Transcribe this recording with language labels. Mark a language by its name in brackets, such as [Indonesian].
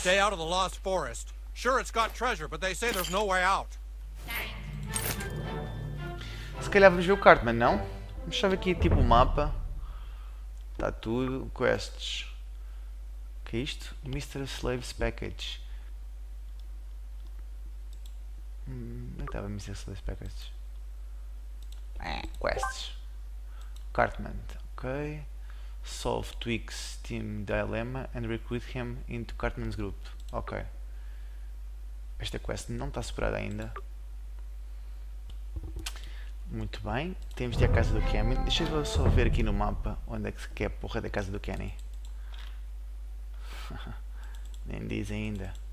[English] Stay out of the Lost Forest. Sure, it's got treasure, but they say there's no way out. [Portuguese] Se calhar vamos ver o Cartman, não? Vamos só ver aqui tipo o mapa. Está tudo. Quests. O que é isto? Mr. [English] Slave's Package. [Portuguese] Onde estava a missão das packages? Quests. Cartman, ok. [English] Solve Twig's Team Dilemma and recruit him into Cartman's group. Ok. [Portuguese] Esta quest não está superada ainda. Muito bem. Temos de ir à casa do Kenny. Deixa eu só ver aqui no mapa onde é que é a porra da casa do Kenny. Nem diz ainda.